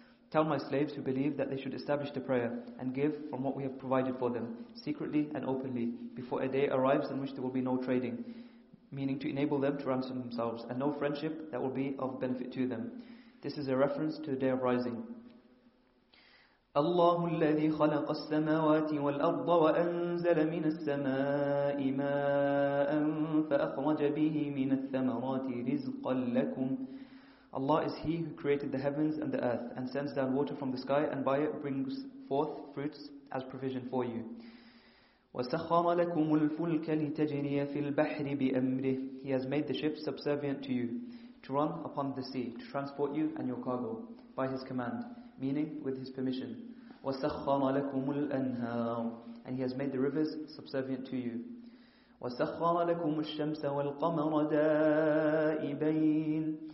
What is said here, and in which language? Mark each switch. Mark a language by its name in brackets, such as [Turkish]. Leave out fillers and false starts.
[English] Tell my slaves who believe that they should establish the prayer and give from what we have provided for them, secretly and openly, before a day arrives in which there will be no trading, meaning to enable them to ransom themselves, and no friendship that will be of benefit to them. This is a reference to the Day of Rising. [Arabic] الله الذي خلق السماوات والأرض وأنزل من السماء ماء فأخرج به من الثمرات رزقا لكم. [English] Allah is He who created the heavens and the earth and sends down water from the sky and by it brings forth fruits as provision for you. [Arabic] وسخر لكم الفلك لتجري في البحر بأمره. [English] He has made the ships subservient to you to run upon the sea to transport you and your cargo by His command, meaning with His permission. [Arabic] وَسَخَّرَ لَكُمُ الْأَنْهَارُ. [English] And He has made the rivers subservient to you. [Arabic] وَسَخَّرَ لَكُمُ الشَّمْسَ وَالْقَمَرَ دَائِبَيْنِ.